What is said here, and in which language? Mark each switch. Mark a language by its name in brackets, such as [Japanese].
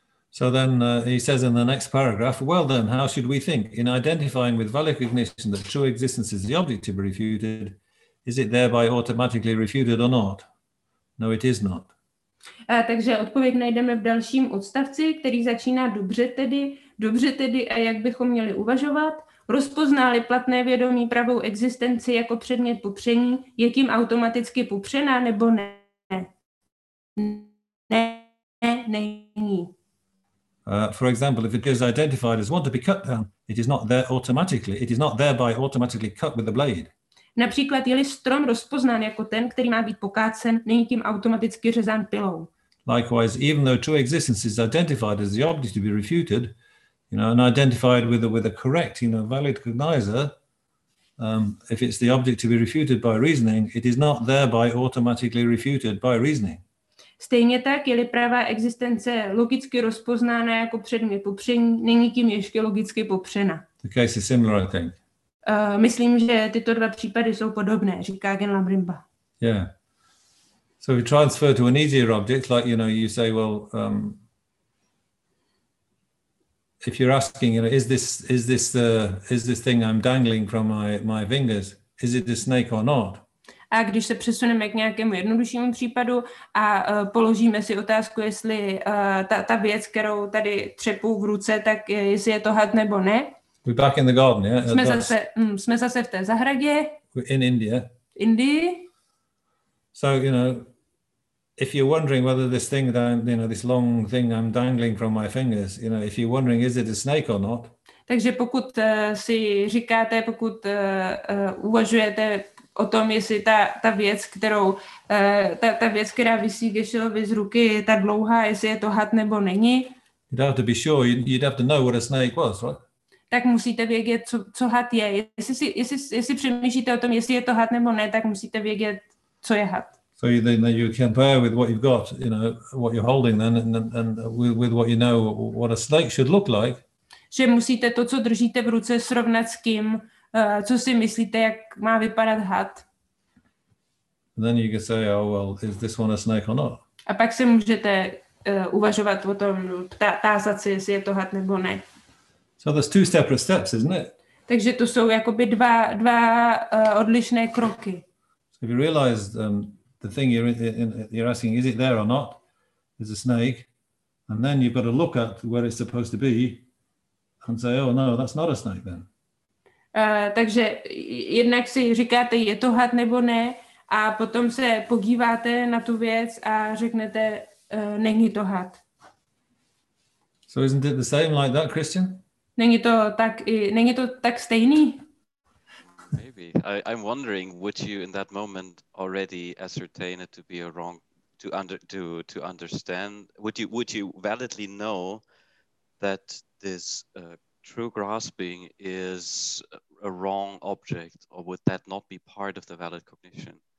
[English] So then he says in the next paragraph, well then, how should we think? In identifying with valid cognition that true existence is the object to be refuted, is it thereby automatically refuted or not? No, it is not. [Czech] Takže odpověď najdeme v dalším odstavci, který začíná dobře tedy a jak bychom měli uvažovat. Rozpoznali platné vědomí pravou existenci jako předmět popření, je tím automaticky popřená nebo ne? Ne, není. [English] For example, if it is identified as want to be cut down, it is not there automatically. It is not thereby automatically cut with the blade. [Czech] Například, je-li strom rozpoznán jako ten, který má být pokácen, není tím automaticky řezán pilou. [English] Likewise, even though true existence is identified as the object to be refuted, you know, and identified with a correct, you know, valid cognizer, if it's the object to be refuted by reasoning, it is not thereby automatically refuted by reasoning. [Czech] Stejně tak, je-li pravá existence logicky rozpoznána jako předmět popření, není tím ještě logicky popřena. [English] The case is similar, I think. [Czech] Myslím, že tyto dva případy jsou podobné, říká Genlamrimba. [English] Yeah. So if you transfer to an easier object, like, you know, you say, well, if you're asking, you know, is this thing I'm dangling from my fingers, is it a snake or not? [Czech] A když se přesuneme k nějakému jednoduššímu případu a položíme si otázku, jestli ta věc, kterou tady třepu v ruce, tak jestli je to had nebo ne. [English] We're back in the garden, yeah? [Czech] Jsme zase v té zahradě. [English] We're in India. [Czech] Indii. [English] So, you know, if you're wondering whether this thing that I'm, you know, this long thing I'm dangling from my fingers, you know, if you're wondering, is it a snake or not? [Czech] Takže pokud si říkáte, pokud uvažujete o tom, jestli ta věc, která visí Gešelovi z ruky, je ta dlouhá, jestli je to had nebo není. [English] You'd have to be sure, you'd have to know what a snake was, right? [Czech] Tak musíte vědět, co had je. Jestli přemýšlíte o tom, jestli je to had nebo ne, tak musíte vědět, co je had. [English] So then you compare with what you've got, you know, what you're holding then, and with what you know, what a snake should look like. [Czech] Že musíte to, co držíte v ruce, srovnat s kým, co si myslíte, jak má vypadat had. [English] And then you can say, oh, well, is this one a snake or not? [Czech] A pak si můžete uvažovat o tom, tázat si, jestli je to had nebo ne. [English] So there's two separate steps, isn't it? [Czech] Takže to jsou jakoby dva odlišné kroky. [English] So if you realize the thing you're asking, is it there or not? Is a snake? And then you've got to look at where it's supposed to be and say, oh no, that's not a snake then. [Czech] Takže jednak si říkáte, je to had nebo ne, a potom se podíváte na tu věc a řeknete, není to had. [English] So isn't it the same like that, Christian? [Czech] Není to tak stejný? [English] Maybe. I'm wondering, would you in that moment already ascertain it to be a wrong to understand? Would you validly know that this true grasping is a wrong object, or would that not be part of the valid cognition?